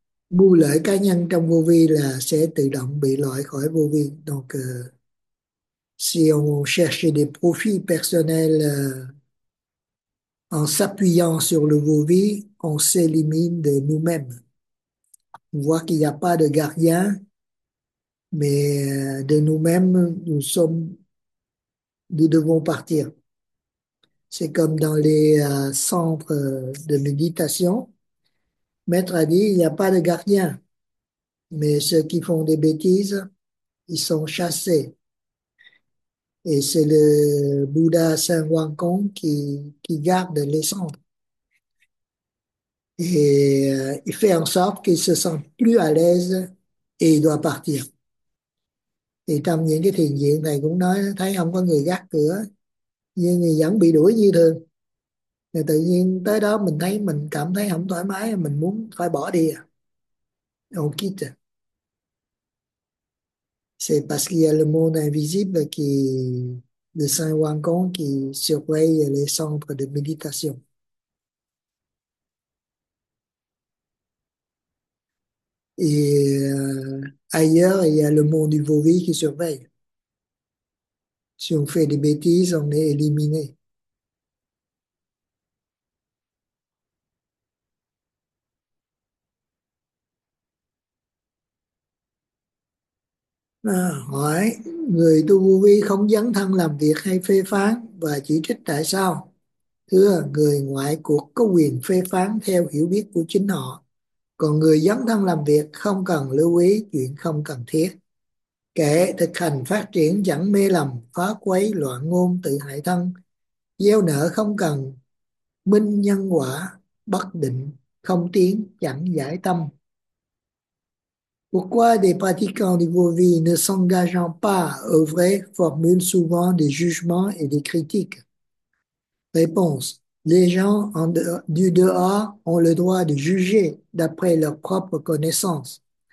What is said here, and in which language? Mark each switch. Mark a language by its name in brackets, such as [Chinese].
[Vietnamese] Bu lợi cá nhân trong vô vi là sẽ tự động bị loại khỏi vô vi. [French] Donc, si on cherche des profits personnels en s'appuyant sur le vô vi, on s'élimine de nous-mêmes. On voit qu'il n'y a pas de gardien, mais de nous-mêmes, nous devons partir. C'est comme dans les centres de méditation. Maître a dit, il n'y a pas de gardien, mais ceux qui font des bêtises, ils sont chassés. Et c'est le Bouddha Saint Wang Kong qui garde les centres. Et il fait en sorte qu'ils se sentent plus à l'aise et il doit partir. [Vietnamese] Thì trong những cái thiền viện thầy cũng nói thấy không có người gác cửa nhưng người vẫn bị đuổi như thường, thì tự nhiên tới đó mình thấy mình cảm thấy không thoải mái, mình muốn phải bỏ đi. [French] On quitte. C'est parce qu'il y a le monde invisible qui le Saint Wang Kong qui surveille les centres de méditation. Et ailleurs, il y a le monde du Vovi qui surveille. Si on fait des bêtises, on est éliminé. [Vietnamese] À, hỏi, người tu Vovi không dấn thân làm việc hay phê phán và chỉ trích tại sao? Thưa, người ngoại cuộc có quyền phê phán theo hiểu biết của chính họ. Còn người dấn thân làm việc không cần lưu ý chuyện không cần thiết. Kẻ thực hành phát triển chẳng mê lầm, phá quấy, loạn ngôn, tự hại thân. Gieo nợ không cần minh nhân quả, bất định, không tiến, chẳng giải tâm. [French] Pourquoi des pratiquants du vô vi ne s'engageant pas au vrai formulent souvent des jugements et des critiques? Réponse. Les gens du dehors ont le droit de juger d'après leurs propres connaissances.